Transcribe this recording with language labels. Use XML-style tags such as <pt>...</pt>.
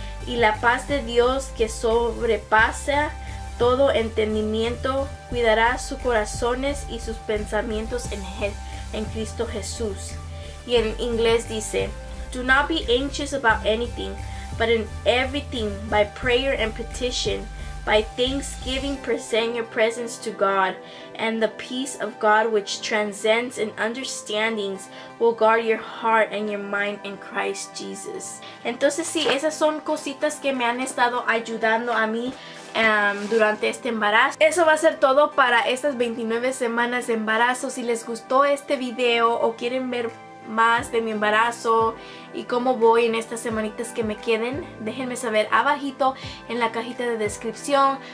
<es>Y la paz de Dios, que sobrepasa todo entendimiento, cuidará sus corazones y sus pensamientos en Cristo Jesús. Y en inglés dice:</es> <en>Do not be anxious about anything, but in everything, by prayer and petition, by thanksgiving, present your presence to God, and the peace of God, which transcends in understandings, will guard your heart and your mind in Christ Jesus.</en> <es>Entonces sí, esas son cositas que me han estado ayudando a mí durante este embarazo. Eso va a ser todo para estas 29 semanas de embarazo. Si les gustó este video o quieren ver más de mi embarazo y cómo voy en estas semanitas que me queden, déjenme saber abajito en la cajita de descripción.</es>